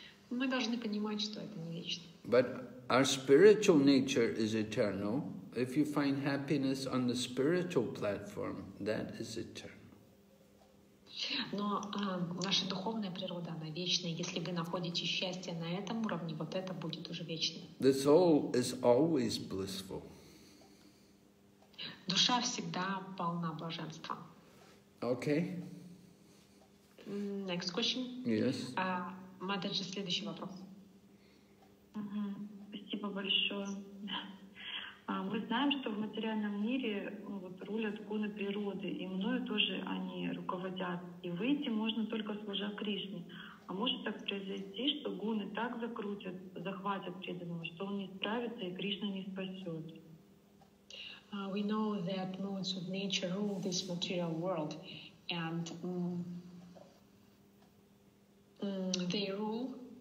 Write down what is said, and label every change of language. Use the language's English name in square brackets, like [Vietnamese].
[Russian] Мы должны понимать, что это не вечно. [English] But our spiritual nature is eternal. If you find happiness on the spiritual platform, that is eternal. [Russian] Но наша духовная природа, она вечная. Если вы находите счастье на этом уровне, вот это будет уже вечно. [English] The soul is always blissful. [Russian] Душа всегда полна блаженства. [English] Okay. Next question. Yes. [Russian] Матаджи, следующий вопрос. Спасибо большое. Мы знаем, что в материальном мире вот, рулят гуны природы, и мною тоже они руководят. И выйти можно только служа Кришне. А может так произойти, что гуны так закрутят, захватят преданного, что он не справится и Кришна не спасет? [English] We know that modes of nature rule this material world, and they rule.